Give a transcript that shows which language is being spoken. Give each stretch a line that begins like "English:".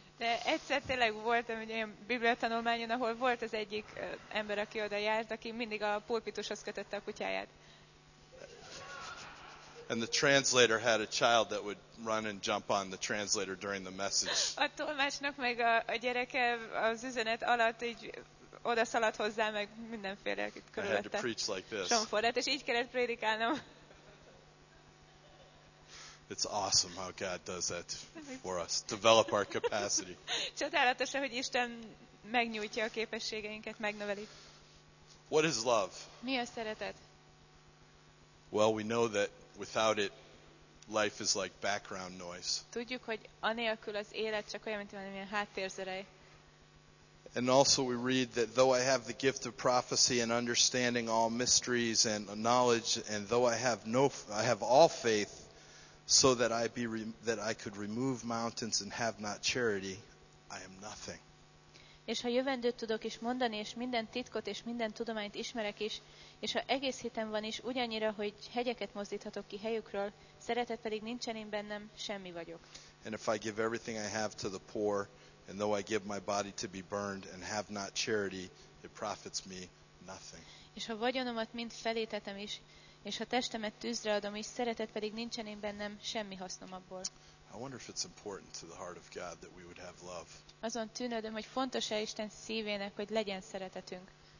Hungarian: De egyszer tényleg voltam egy olyan Biblia tanulmányon, ahol volt az egyik ember, aki oda járt, aki mindig a pulpitushoz kötötte a kutyáját.
English: And the translator had a child that would run and jump on the translator during the message.
Hungarian: A tolmácsnak meg a gyereke az üzenet alatt így odaszaladt hozzá, meg mindenféle körülötte.
English: I had to preach like this.
Hungarian: Somfordát, és így kellett prédikálnom.
English: It's awesome how God does that for us. Develop our capacity.
Hungarian: Csodálatos, hogy Isten megnyújtja a képességeinket, megnöveli.
English: What is love?
Hungarian: Mi a szeretet?
English: Well, we know that without it, life is like background noise.
Hungarian: Tudjuk, hogy anélkül az élet csak olyan, mint valami háttérzerei.
English: And also we read that though I have the gift of prophecy and understanding all mysteries and knowledge, and though I have all faith, so that I could remove mountains and have not charity, I am nothing.
Hungarian: És ha jövendőt tudok is mondani, és minden titkot és minden tudományt ismerek is, és ha egész hitem van is, ugyannyira, hogy hegyeket mozdíthatok ki helyükről, szeretet pedig nincsen én bennem, semmi vagyok.
English: And if I give everything I have to the poor, and though I give my body to be burned, and have not charity, it profits me nothing.
Hungarian: És ha vagyonomat mind felétetem is, és ha testemet tűzre adom is, szeretet pedig nincsen én bennem, semmi hasznom abból.
English: I wonder if it's important to the heart of God that we would have love.
Hungarian: Azon tűnődöm, hogy fontos-e Isten szívének, hogy legyen szeretetünk.